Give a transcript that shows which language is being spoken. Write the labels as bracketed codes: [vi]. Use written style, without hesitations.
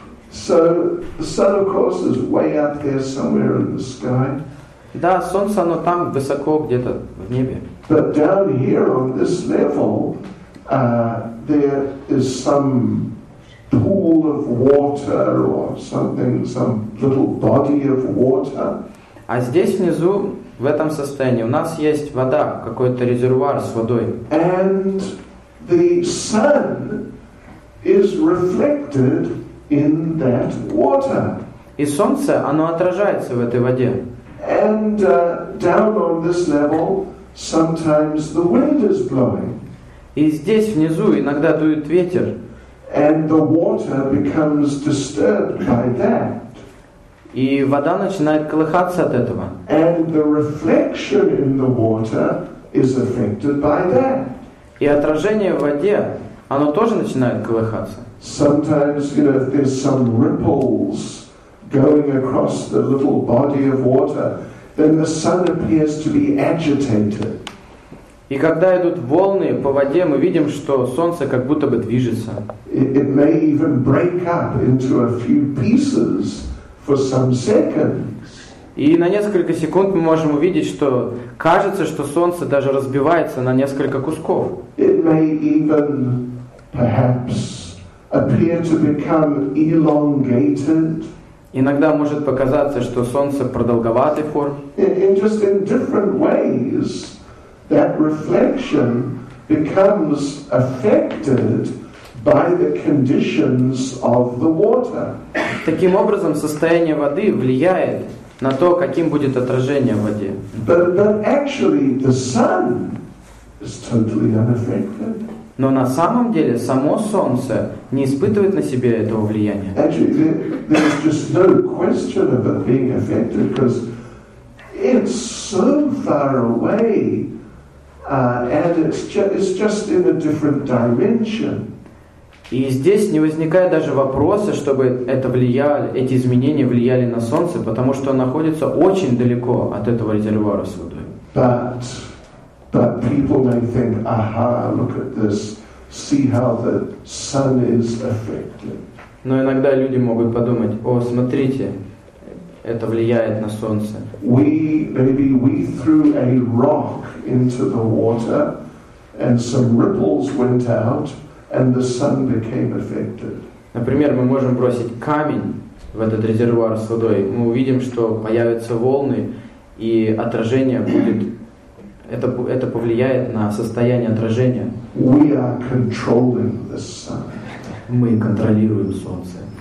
[en] So, of course, is way up there somewhere in the sky. [ru] Да, солнце, оно там высоко, где-то в небе. [en] But down here on this level, there is some pool of water or something, some little body of water. [ru] А здесь внизу, в этом состоянии, у нас есть вода, какой-то резервуар с водой. [en] And the sun is reflected in that water. [ru] И солнце, оно отражается в этой воде. [en] And down on this level, sometimes the wind is blowing. [ru] И здесь внизу иногда дует ветер. [en] And the water becomes disturbed by that. [ru] И вода начинает колыхаться от этого. [en] And the reflection in the water is affected by that. [ru] И отражение в воде, оно тоже начинает колыхаться. [en] Sometimes, you know, if there's some ripples going across the little body of water, then the sun appears to be agitated. [ru] И когда идут волны по воде, мы видим, что солнце как будто бы движется. [en] It may even break up into a few pieces for some seconds. [ru] И на несколько секунд мы можем увидеть, что кажется, что солнце даже разбивается на несколько кусков. [en] It may even perhaps appear to become elongated. [ru] Иногда может показаться, что солнце продолговатой формы. [en] In just in different ways. That reflection becomes affected by the conditions of the water. [ru] Таким образом, состояние воды влияет на то, каким будет отражение в воде. [en] But actually, the sun is totally unaffected. [ru] Но на самом деле само солнце не испытывает на себе этого влияния. [en] Actually, there is just no question of it being affected because it's so far away. And it's just in a different dimension. [ru] И здесь не возникает даже вопроса, чтобы это влияли, эти изменения влияли на солнце, потому что он находится очень далеко от этого резервуара с водой. [en] But people may think, aha, look at this, see how the sun is affected. [ru] Но иногда люди могут подумать, о, смотрите, это влияет на солнце. [en] Maybe we threw a rock into the water, and some ripples went out, and the sun became affected. [ru] Например, мы можем бросить камень в этот резервуар с водой. Мы увидим, что появятся волны, и отражение будет это повлияет на состояние отражения. [en] We are controlling the sun. [ru] Мы контролируем солнце.